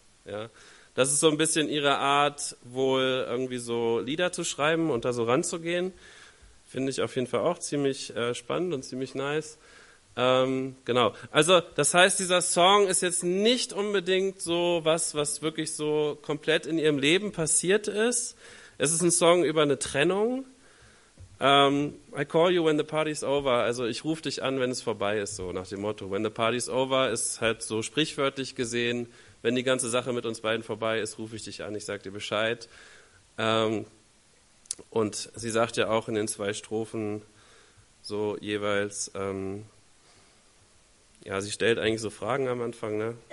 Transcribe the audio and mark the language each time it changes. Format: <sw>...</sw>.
<de>Ja, das ist so ein bisschen ihre Art, wohl irgendwie so Lieder zu schreiben und da so ranzugehen. Finde ich auf jeden Fall auch ziemlich spannend und ziemlich nice. Genau, also das heißt, dieser Song ist jetzt nicht unbedingt so was wirklich so komplett in ihrem Leben passiert ist. Es ist ein Song über eine Trennung.</de> <en>I call you when the party's over.</en> <de>Also ich rufe dich an, wenn es vorbei ist, so nach dem Motto.</de> <en>When the party's over</en> <de>ist halt so sprichwörtlich gesehen, wenn die ganze Sache mit uns beiden vorbei ist, rufe ich dich an, ich sag dir Bescheid. Und sie sagt ja auch in den zwei Strophen so jeweils, ja, sie stellt eigentlich so Fragen am Anfang, ne?</de>